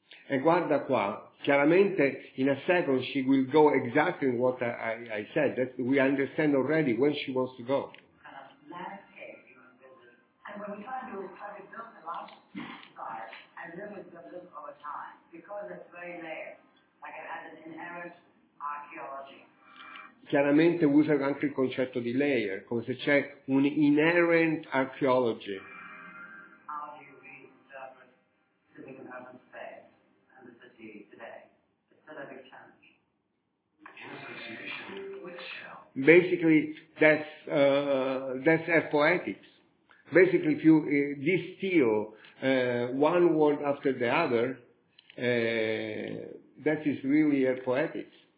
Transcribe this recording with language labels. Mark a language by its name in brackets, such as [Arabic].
[Italian] E guarda qua, chiaramente [English] in a second she will go exactly in what I said, that we understand already where she wants to go. And what we try to do is try to build the large size and then we build it over time, because it's very layered, like it has an inherent archaeology. [Italian] Chiaramente usa anche il concetto di layer, come se c'è un inherent archaeology. [English] How do you reinterpret living in urban space and the city today? It's still a big challenge. In association with Shell. Basically, that's her poetics. Basically, if you distill one word after the other, that is really her poetics.